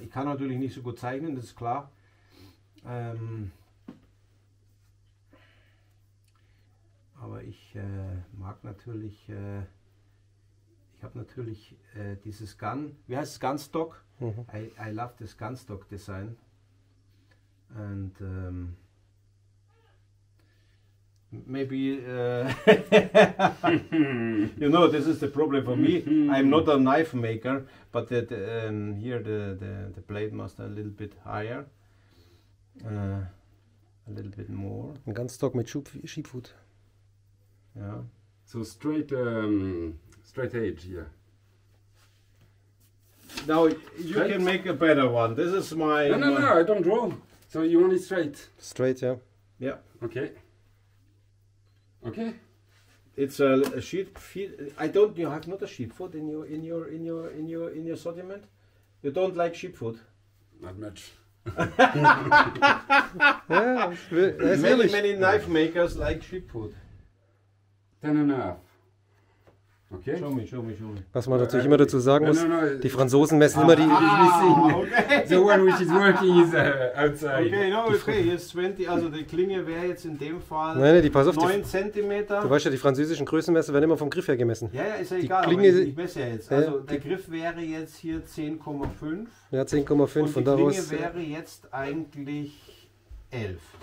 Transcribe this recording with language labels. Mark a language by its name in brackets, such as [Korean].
[German] Ich kann natürlich nicht so gut zeichnen, das ist klar. Aber ich mag natürlich, ich habe natürlich dieses Gun, wie heißt es, Gunstock? [English] Mhm. I love [German] das [English] Gunstock Design. And maybe, you know, this is the problem for me. I'm not a knife maker, but the blade must a little bit higher. A little bit more. [German] Ein Gunstock mit Sheepfoot. [English] Yeah. So straight edge, yeah. Now you straight? Can make a better one. This is my No, I don't draw. So you want it straight? Straight, yeah. Yeah. Okay. Okay. It's a sheep feet. I don't you have not a sheep foot in your sortiment? You don't like sheep foot? Not much. Yeah, many knife makers like sheep foot. 10.5. Okay. Show me. [German] Was man natürlich immer dazu sagen muss, die Franzosen messen immer die. [English] Okay. The one which is working is outside. Okay, no, okay, [German] hier ist 20, also die Klinge wäre jetzt in dem Fall die, pass auf, 9 cm. Du weißt ja, die französischen Größenmesser werden immer vom Griff her gemessen. Ja, ist ja die egal, Klinge, aber ich messe ja jetzt. Also der Griff wäre jetzt hier 10,5. Ja, 10,5 und daraus. Die Klinge wäre jetzt eigentlich 11.